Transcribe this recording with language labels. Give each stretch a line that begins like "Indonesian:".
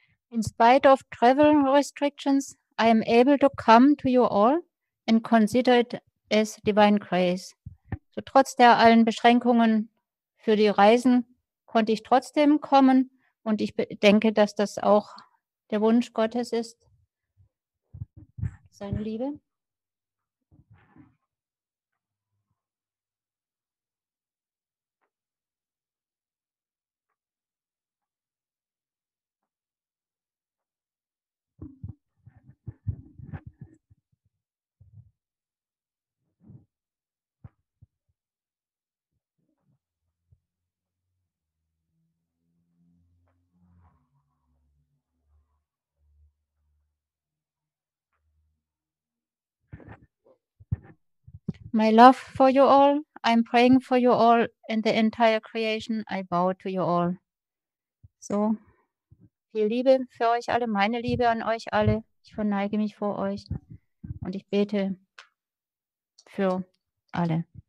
English: In spite of travel restrictions, I am able to come to you all and consider it as divine grace.
German: So trotz der allen Beschränkungen für die Reisen konnte ich trotzdem kommen und ich denke, dass das auch der Wunsch Gottes ist, seine Liebe.
English: My love for you all, I'm praying for you all and the entire creation, I bow to you all.
German: So, viel Liebe für euch alle, meine Liebe an euch alle. Ich verneige mich vor euch und ich bete für alle.